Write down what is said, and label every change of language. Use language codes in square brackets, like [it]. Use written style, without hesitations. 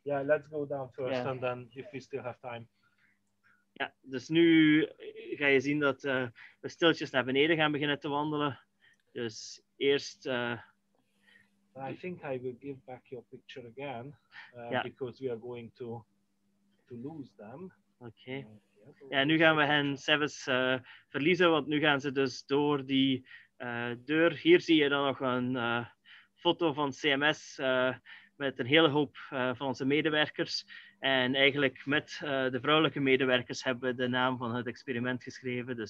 [en] Yeah, let's go down first and then if we still have time. [nl] Ja, dus nu ga je zien dat we stiltjes naar beneden gaan beginnen te wandelen. Dus eerst [en] I think I will give back your picture again, yeah. Because we are going to lose them. Okay. [nl] Ja, nu gaan we hen zelfs verliezen, want nu gaan ze dus door die deur. Hier zie je dan nog een foto van CMS met een hele hoop van onze medewerkers. En eigenlijk met de vrouwelijke medewerkers hebben we de naam van het experiment geschreven.